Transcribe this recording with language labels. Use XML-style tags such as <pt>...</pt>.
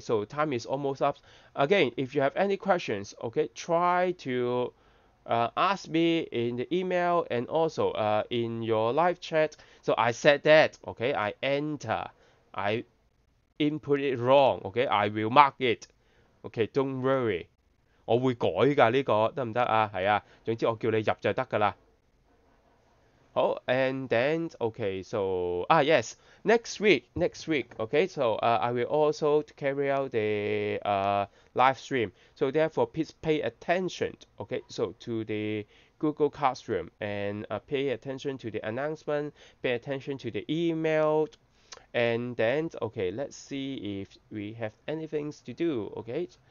<en>So time is almost up. Again, if you have any questions, okay, try to ask me in the email and also in your live chat. So I said that, okay, I input it wrong, okay? I will mark it. Okay, don't worry.</en> <yue>我會改㗎，呢個得唔得啊？係啊，總之我叫你入就得㗎啦。</yue> <en>好 ，and then okay, so yes, next week, okay, so I will also carry out the live stream. So therefore, please pay attention, okay, so to the Google Classroom and pay attention to the announcement, pay attention to the email, and then okay, let's see if we have anything to do, okay.</en>